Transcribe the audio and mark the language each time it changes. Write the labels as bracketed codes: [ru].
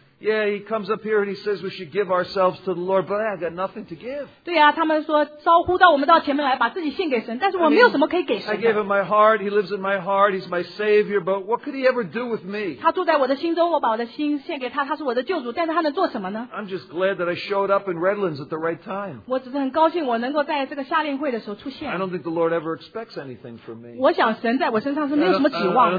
[en] Yeah, he comes up here and he says we should give ourselves to the Lord, but I got nothing to give. [zh] 对啊, 他们说, 招呼到我们到前面来, 把自己献给神, 但是我没有什么可以给神的。 [en] I gave him my heart, he lives in my heart, he's my savior, but what could he ever do with me? [zh] 他住在我的心中, 我把我的心献给他, 他是我的救主, 但是他能做什么呢? [en] I'm just glad that I showed up in Redlands at the right time. [zh] 我只是很高兴我能够在这个夏令会的时候出现。 [en] I don't think the Lord ever expects anything from me. [zh] 我想神在我身上是没有什么指望的。